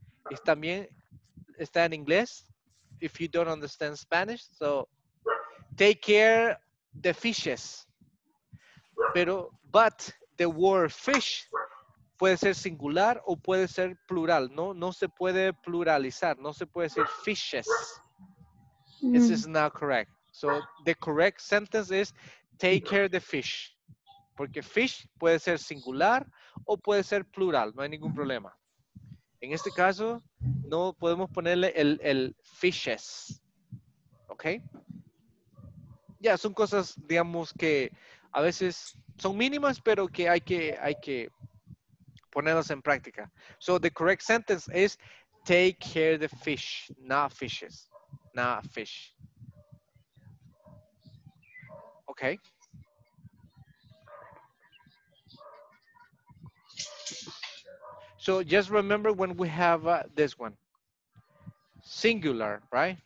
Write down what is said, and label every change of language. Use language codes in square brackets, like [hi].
[es] Y también está en inglés, [en] if you don't understand Spanish. So, take care the fishes. But the word fish [es] puede ser singular o puede ser plural. No se puede pluralizar, no se puede decir fishes. [en] This is not correct. So the correct sentence is take care of the fish. [es] Porque fish puede ser singular o puede ser plural. No hay ningún problema. En este caso, no podemos ponerle el fishes. Okay? Yeah, son cosas, digamos, que a veces son mínimas, pero que hay que ponerlas en práctica. [en] So the correct sentence is take care of the fish, not fishes. Not fish. Okay. So just remember when we have this one. Singular, right?